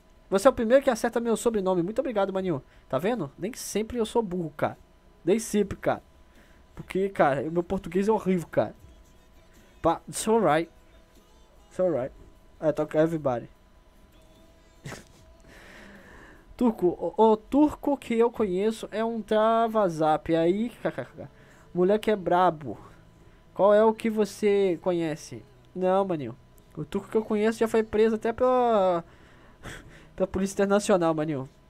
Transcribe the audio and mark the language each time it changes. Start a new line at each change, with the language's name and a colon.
Portuguese: Você é o primeiro que acerta meu sobrenome. Muito obrigado, maninho. Tá vendo? Nem sempre eu sou burro, cara. Nem sempre, cara. Porque, cara, meu português é horrível, cara.
English: But it's alright. It's alright. I talk everybody.
Portuguese: Turco, o turco que eu conheço é um travazap. Aí, kkkk. Mulher que é brabo. Qual é o que você conhece? Não, maninho. O turco que eu conheço já foi preso até pela... pela Polícia Internacional, maninho.